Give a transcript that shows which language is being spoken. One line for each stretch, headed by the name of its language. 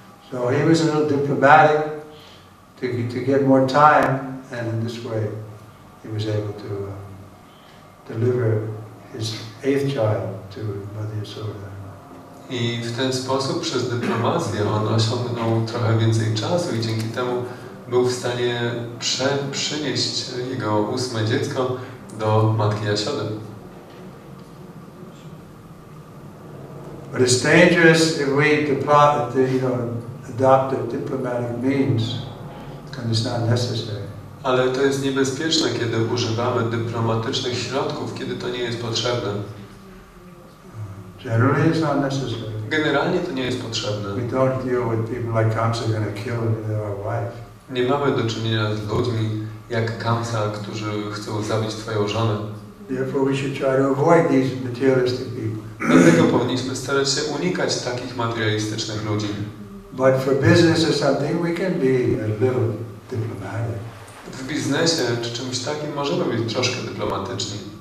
English: So he was a little diplomatic to get more time, and in this way he was able to deliver his eighth child to Mother Yasoda.
Polish: I w ten sposób przez dyplomację on osiągnął trochę więcej czasu i dzięki temu był w stanie przynieść jego ósme dziecko do matki Jasiody.
English: But it's dangerous if we depart, adopt a diplomatic means when it's not necessary.
Polish: Ale to jest niebezpieczne, kiedy używamy dyplomatycznych środków, kiedy to nie jest potrzebne.
English: Generally it's not necessary.
Polish: Generalnie to nie jest potrzebne.
English: We don't deal with people like Kamsa gonna kill their wife.
Polish: Nie mamy do czynienia z ludźmi jak Kamsa, którzy chcą zabić twoją żonę.
English: Therefore we should try to avoid these materialistic people.
Polish: Dlatego powinniśmy starać się unikać takich materialistycznych ludzi.
English: But for business or something we can be a little diplomatic.
Polish: W biznesie czy czymś takim możemy być troszkę dyplomatyczni.